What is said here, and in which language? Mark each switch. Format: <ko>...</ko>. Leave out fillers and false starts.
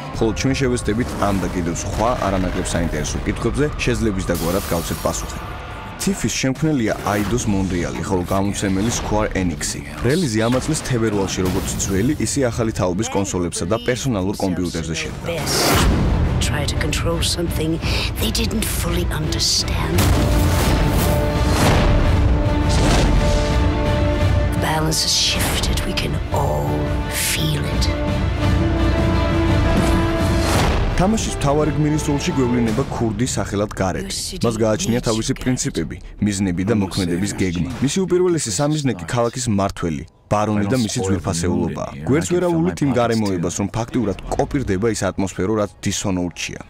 <ka>ხოლო ჩვენ შევეცდებით ამ და კიდევ სხვა არანაკლებ საინტერესო კითხვებზე, შეძლებს დაგვარად გავცეთ პასუხები. Thief-ის შემქმნელია Eidos Montreal-ი, ხოლო გამომცემელი Square Enix-ი. Релиზი ამ წლის თებერვალში როგორც ძველი, ისე ახალი თაობის კონსოლებსა და პერსონალურ კომპიუტერებზე შედგა.</ka> <en>Try to control something they didn't fully understand. The balance has shifted. We can all feel it.</en> <ka>თამაშის მთავარი გმირის როლში გვევლინება ქურდი სახელად გარეთ. მას გააჩნია თავისი პრინციპები, მიზნები და მოქმედების გეგმა. მისი უპირველესი სამიზნეკი ქალაქის მართველი, ბარონი და მისი ძვირფასეულობა. გვერდს ვერავულით იმ გარემოებას, რომ ფაქტიურად კოპირდება ის ატმოსფერო, რაც დისონორჩია.</ka>